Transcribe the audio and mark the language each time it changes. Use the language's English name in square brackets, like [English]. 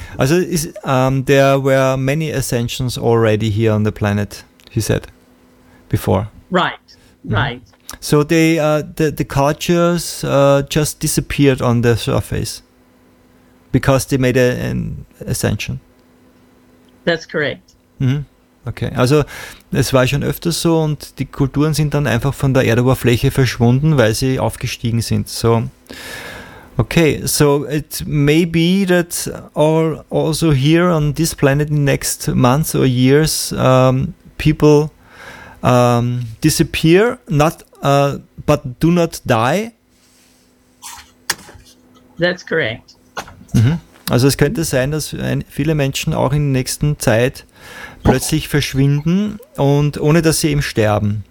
[English] Also there were many ascensions already here on the planet, he said, before. Right. Right. So they the cultures just disappeared on the surface because they made an ascension. That's correct. Mm-hmm. [German] Okay, also es war schon öfters so, und die Kulturen sind dann einfach von der Erdoberfläche verschwunden, weil sie aufgestiegen sind. [English] So, okay, so it may be that all also here on this planet in next months or years people disappear, but do not die. That's correct. Mhm. [German] Also es könnte sein, dass viele Menschen auch in der nächsten Zeit plötzlich verschwinden, und ohne dass sie eben sterben.